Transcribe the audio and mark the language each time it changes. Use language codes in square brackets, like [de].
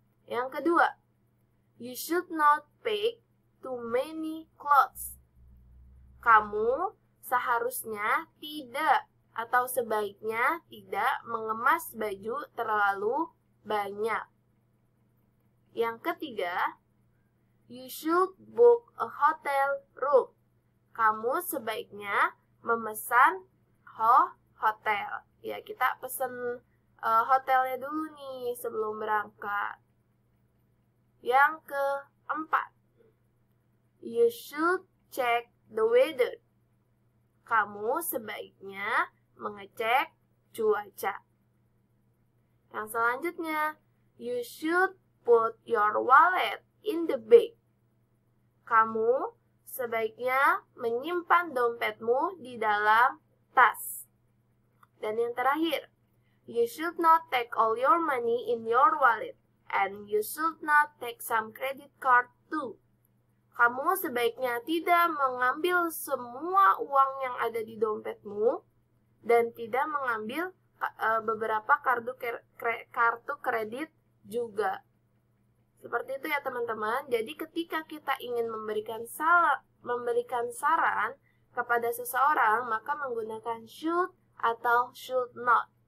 [id] Yang kedua, [en] you should not pack too many clothes. [id] Kamu seharusnya tidak atau sebaiknya tidak mengemas baju terlalu banyak. Yang ketiga, [en] you should book a hotel room. [id] Kamu sebaiknya memesan hotel. Ya, kita pesan hotelnya dulu nih sebelum berangkat. Yang keempat, [en] you should check the weather. [id] Kamu sebaiknya mengecek cuaca. Yang selanjutnya, [en] you should put your wallet in the bag. [id] Kamu sebaiknya menyimpan dompetmu di dalam tas. Dan yang terakhir, [en] you should not take all your money in your wallet. And you should not take some credit card too. [id] Kamu sebaiknya tidak mengambil semua uang yang ada di dompetmu dan tidak mengambil beberapa kartu kredit juga. Seperti itu ya teman-teman. Jadi ketika kita ingin memberikan saran kepada seseorang, maka menggunakan should atau should not.